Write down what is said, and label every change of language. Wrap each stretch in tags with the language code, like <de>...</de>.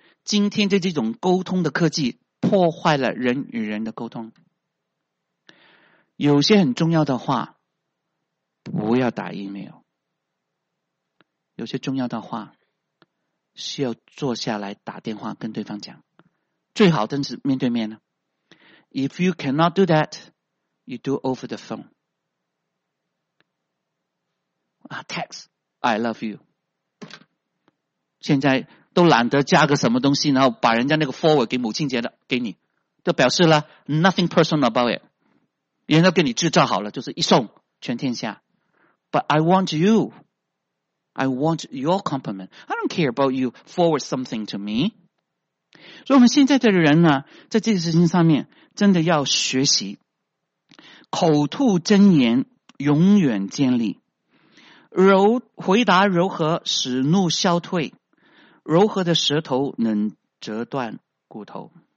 <zh>今天的这种沟通的科技破坏了人与人的沟通，有些很重要的话不要打 email， 有些重要的话需要坐下来打电话跟对方讲，最好真是面对面呢。</zh> <en>If you cannot do that you do over the phoneText, I love you.</en> <zh>现在都懒得加个什么东西，然后把人家那个 forward 给母亲节的给你，就表示了</zh> <en>nothing personal about it.</en> <zh>人家给你制造好了，就是一送全天下。</zh> <en>But I want you. I want your compliment. I don't care about you forward something to me.</en> <zh>所以我们现在的人呢，在这个事情上面真的要学习口吐真言，永远坚立。回答柔和使怒消退，柔和的舌头能折断骨头。</zh>